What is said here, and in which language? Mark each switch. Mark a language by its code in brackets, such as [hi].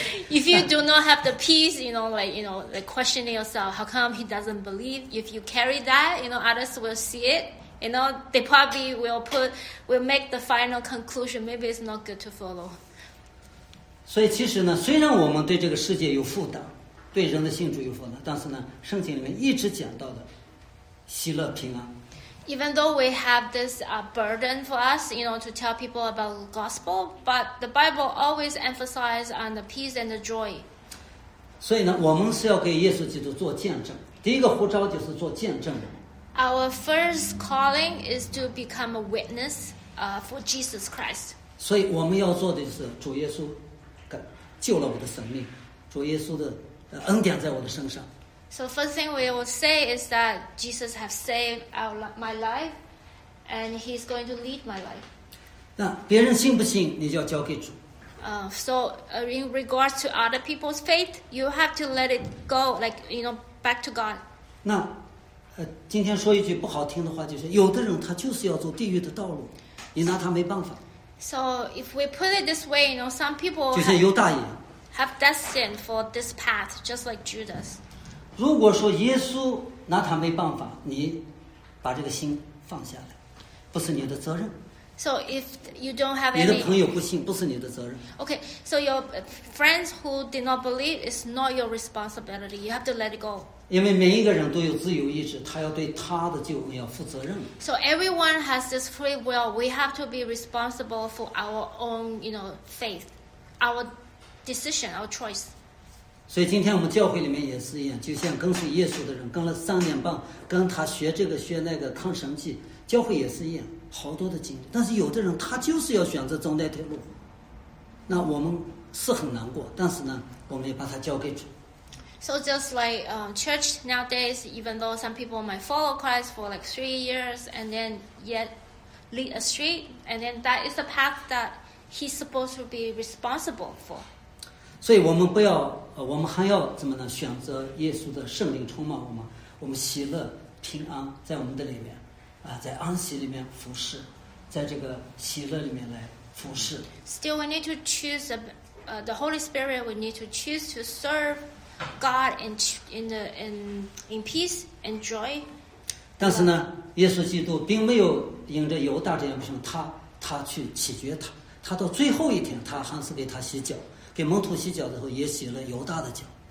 [en] If you do not have the peace, you know, like questioning yourself, how come he doesn't believe? If you carry that, you know, others will see it. You know, they probably will make the final conclusion. Maybe it's not good to follow. [zh] 所以其实呢，虽然我们对这个世界有负担，对人的信主有负担，但是呢，圣经里面一直讲到的喜乐平安。 [en] Even though we have this burden for us, you know, to tell people about the gospel, but the Bible always emphasizes on the peace and the joy. [zh] 所以呢，我们是要给耶稣基督做见证。第一个呼召就是做见证人。 [en] Our first calling is to become a witness, for Jesus Christ. [zh] 所以我们要做的是主耶稣，救了我的生命，主耶稣的恩典在我的身上。 [en] So first thing we will say is that Jesus has saved my life, and He's going to lead my life. [zh] 那别人信不信，你就要交给主。 [en] In regards to other people's faith, you have to let it go, like you know, back to God. [zh] 那，今天说一句不好听的话，就是有的人他就是要走地狱的道路，你拿他没办法。 [en] So if we put it this way, you know, some people [zh] 就像犹大一样 [en] have destined for this path, just like Judas. [zh] 如果说耶稣拿他没办法，你把这个心放下来，不是你的责任。 [en] So if you don't have any, [zh] 你的朋友不信，不是你的责任。 [en] Okay, so your friends who did not believe is not your responsibility. You have to let it go. [zh] 因为每一个人都有自由意志，他要对他的救恩要负责任。 [en] So everyone has this free will. We have to be responsible for our own, you know, faith, our decision, our choice. [zh] 所以今天我们教会里面也是一样，就像跟随耶稣的人，跟了三年半，跟他学这个学那个看神迹，教会也是一样，好多的经历。但是有的人他就是要选择走那条路，那我们是很难过，但是呢，我们也把他交给主。 [en] So just like church nowadays, even though some people might follow Christ for like 3 years and then yet lead astray, and then that is the path that he's supposed to be responsible for. [zh] 所以我们不要，我们还要怎么呢？选择耶稣的圣灵充满我们，我们喜乐平安在我们的里面，啊，在安息里面服侍，在这个喜乐里面来服侍。 [en] Still, we need to choose the Holy Spirit. We need to choose to serve God in peace and joy. [zh] 但是呢，耶稣基督并没有因着犹大这样不行，他去起决他，他到最后一天，他还是给他洗脚。给蒙徒洗脚的时候，也洗了犹大的脚。